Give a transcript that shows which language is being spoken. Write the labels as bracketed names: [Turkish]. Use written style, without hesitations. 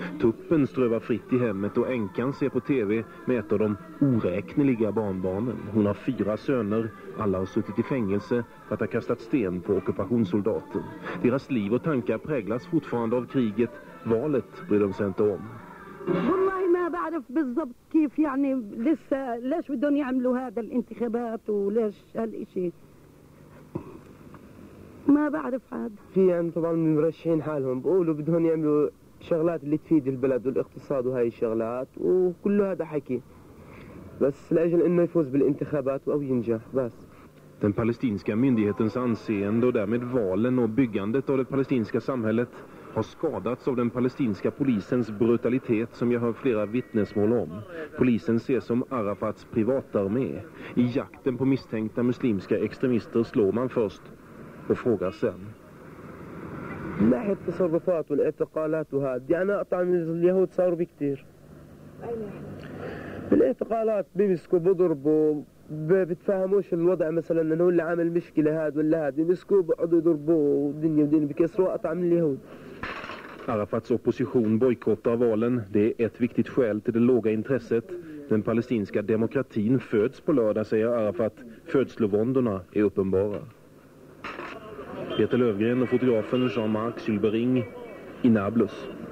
[Swedish] Tuppen strövar fritt i hemmet och änkan ser på TV med ett av de oräkneliga barnbarnen. Hon har 4 söner, alla har suttit i fängelse för att ha kastat sten på ockupationssoldaten. Deras liv och tankar präglas fortfarande av kriget. Valet bryr de sig inte om. [Arabic] والله ما بعرف بالضبط كيف يعني لسه ليش بدهم يعملوا هذا الانتخابات وليش هالشيء ما بعرف عاد في عندهم طبعا مرشحين حالهم بقولوا بدهم يعملوا شغلات اللي تفيد البلد والاقتصاد وهي الشغلات وكل هذا حكي بس لاجل انه يفوز بالانتخابات او ينجح بس [Swedish] Den palestinska myndighetens anseende och därmed valen och byggandet av det palestinska samhället har skadats av den palestinska polisens brutalitet, som jag hör flera vittnesmål om. Polisen ses som Arafats privatarmé. I jakten på misstänkta muslimska extremister slår man först och frågar sen. [Arabic] بيتفهموش الوضع مثلا انه اللي عامل مشكله هذا ولا هذا مسكوا بعض يضربوا ودنيا ودنيا بكسروا قطع من اليهود. [Swedish] Arafats opposition bojkottar valen. Det är ett viktigt skäl till det låga intresset. Den palestinska demokratin föds på lördag, säger Arafat. Födslovåndorna är uppenbara. Peter Lövgren och fotografen Jean-Marc Silbering i Nablus.